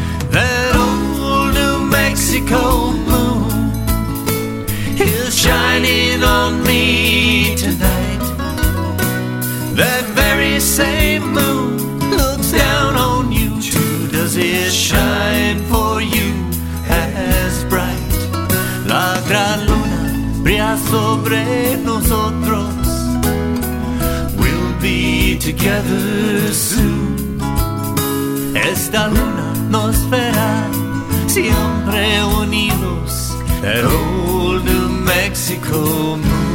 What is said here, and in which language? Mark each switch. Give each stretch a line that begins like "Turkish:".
English: That old New Mexico moon is shining on me tonight. That very same moon looks down on you too. Does it shine for you as bright?
Spanish: La gran luna brilla sobre nosotros.
English: We'll be together soon.
Spanish: Esta luna nos verá siempre unidos.
English: That old New Mexico moon.